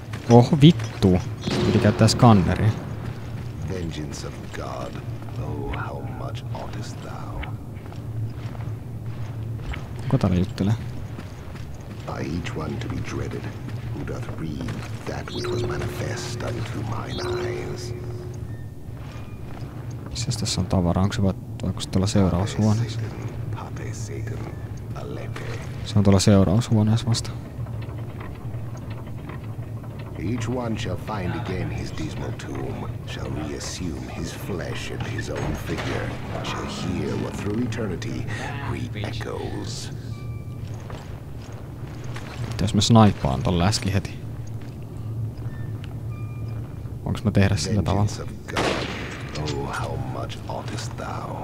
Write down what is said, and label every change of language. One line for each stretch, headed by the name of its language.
Finnish: Oho, vittu. Piti käyttää skanneria.
English: Vengeance of God. Oh, how much oughtest thou?
Finnish: Kuka täällä juttelee?
English: By each one to be dreaded, who doth read that which was manifest unto mine eyes.
Finnish: Missäs tässä on tavaraa? Onko se vaikka tuolla seuraushuoneessa? Pate Satan, Aleppo. Se on tuolla seuraushuoneessa vasta.
English: Each one shall find again his dismal tomb, shall reassume his flesh and his own figure, shall hear what through eternity re-echoes.
Finnish: Pitäis mä snaippaan ton läski heti. Onks mä tehdä sillä tavalla?
English: Oh, how much oughtest thou?